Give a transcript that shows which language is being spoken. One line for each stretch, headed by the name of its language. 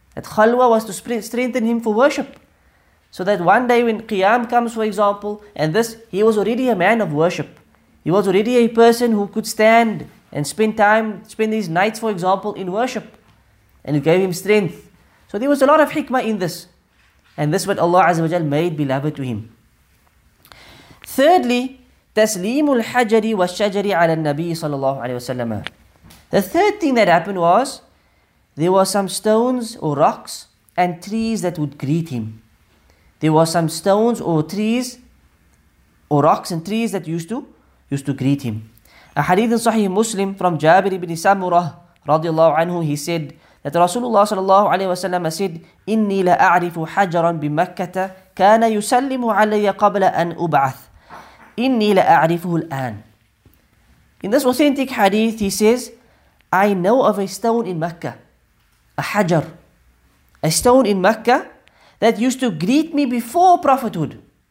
English: That khalwa was to strengthen him for worship. So that one day when Qiyam comes, for example, and this, he was already a man of worship. He was already a person who could stand and spend these nights, for example, in worship. And it gave him strength. So there was a lot of hikmah in this. And this is what Allah Azza wa Jal made beloved to him.
Arabic: Thirdly, تسليم الحجر والشجر على النبي صلى الله عليه وسلم.
English: The third thing that happened was, there were some stones or rocks and trees that would greet him. There were some stones or trees or rocks and trees that used to greet him. A hadith in Sahih Muslim from Jabir ibn Samurah radiallahu anhu, he said that Rasulullah sallallahu alayhi wa sallam said,
Arabic: إِنِّي لَأَعْرِفُ حَجَرًا بِمَكَّةَ كَانَ يُسَلِّمُ عَلَيَّ قَبْلَ أَنْ أُبْعَثْ إِنِّي لَأَعْرِفُهُ الْآنِ.
English: In this authentic hadith, he says, I know of a stone in Mecca, a hajar, a stone in Mecca that used to greet me before prophethood.